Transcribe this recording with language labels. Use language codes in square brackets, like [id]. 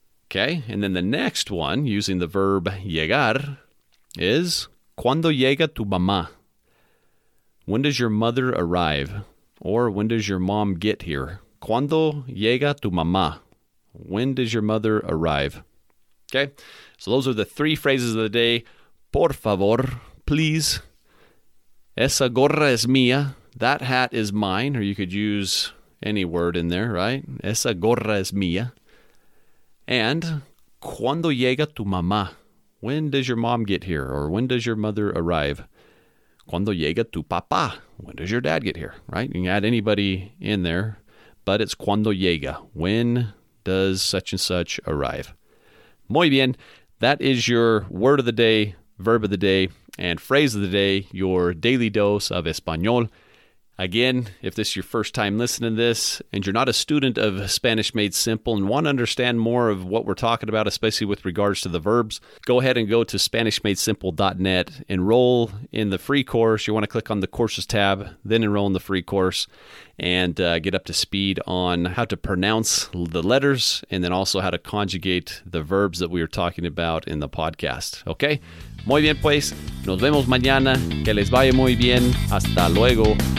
[en] Okay, and then the next one, using the verb llegar, is [es] ¿cuándo llega tu mamá? [en] When does your mother arrive? Or when does your mom get here? [es] ¿Cuándo llega tu mamá? [en] When does your mother arrive? Okay, so those are the three phrases of the day. [es] Por favor, [en] please. [es] Esa gorra es mía. [en] That hat is mine. Or you could use any word in there, right? [es] Esa gorra es mía. [en] And [es] ¿cuándo llega tu mamá? [en] When does your mom get here? Or when does your mother arrive? [es] ¿Cuándo llega tu papá? [en] When does your dad get here? Right? You can add anybody in there. But it's [es] ¿cuándo llega? [en] When does such and such arrive? [es] Muy bien. [en] That is your word of the day, verb of the day, and phrase of the day, your daily dose of [es] Español. [en] Again, if this is your first time listening to this and you're not a student of Spanish Made Simple and want to understand more of what we're talking about, especially with regards to the verbs, go ahead and go to SpanishMadeSimple.net, enroll in the free course. You want to click on the courses tab, then enroll in the free course and get up to speed on how to pronounce the letters and then also how to conjugate the verbs that we were talking about in the podcast. [es] Okay? Muy bien, pues. Nos vemos mañana. Que les vaya muy bien. Hasta luego.